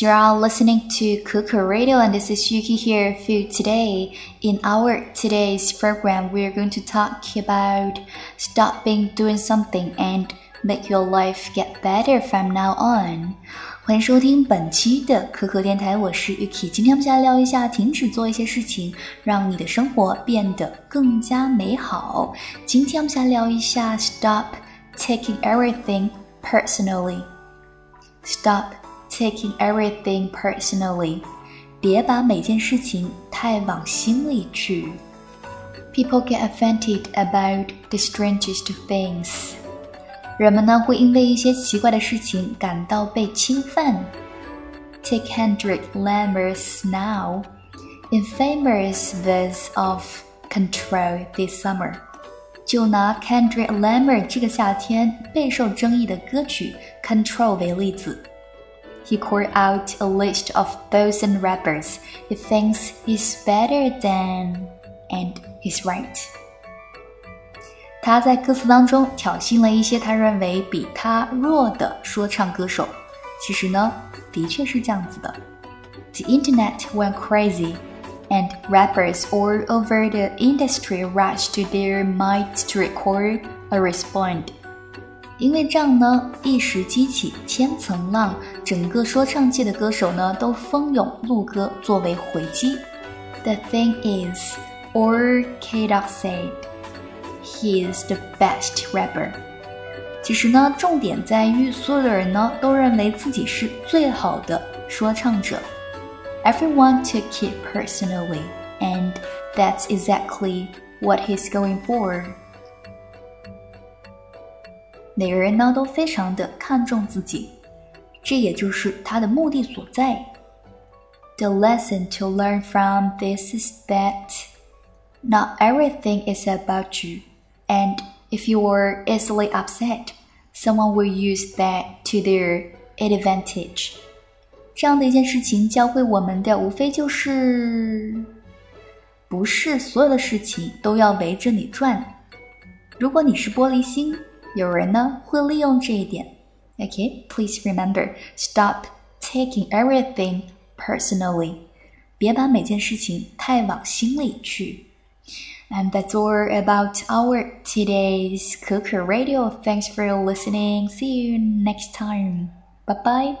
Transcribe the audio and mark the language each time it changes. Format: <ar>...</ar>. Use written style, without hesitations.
<en>You are listening to Cuckoo Radio, and this is Yuki here for you today. In our today's program, we are going to talk about stopping doing something and make your life get better from now on.</en> <zh>欢迎收听本期的可可电台，我是 Yuki。今天我们再来聊一下，停止做一些事情，让你的生活变得更加美好。今天我们再来聊一下</zh> <en>stop taking everything personally. Stop taking everything personally.</en> <zh>别把每件事情太往心里去。</zh> <en>People get offended about the strangest things.</en> <zh>人们呢会因为一些奇怪的事情感到被侵犯。</zh> <en>Take Hendrik Lamar's now. Infamous verse of control this summer.</en> <zh>就拿 Kendrick Lamar 这个夏天备受争议的歌曲 Control 为例子。</zh> <en>He called out a list of 1,000 rappers he thinks he's better than, and he's right.</en> <zh>他在歌词当中挑衅了一些他认为比他弱的说唱歌手。其实呢，的确是这样子的。</zh> <en>The internet went crazy. And rappers all over the industry rushed to their mics to record a response.</en> <zh>因为这样呢，一时激起千层浪，整个说唱界的歌手呢，都蜂拥录歌作为回击。</zh> <en>The thing is, all K-Dog said, he is the best rapper.</en> <zh>其实呢，重点在于所有的人呢，都认为自己是最好的说唱者。</zh> <en>Everyone took it personally, and that's exactly what he's going for.</en> <zh>每个人呢都非常的看重自己，这也就是他的目的所在。</zh> <en>The lesson to learn from this is that not everything is about you, and if you are easily upset, someone will use that to their advantage.</en> <zh>这样的一件事情教会我们的无非就是不是所有的事情都要围着你转。如果你是玻璃心，有人呢会利用这一点。</zh> <en>Okay, please remember, stop taking everything personally.</en> <zh>别把每件事情太往心里去。</zh> <en>And that's all about our today's Cuckoo Radio. Thanks for listening. See you next time. Bye-bye.</en>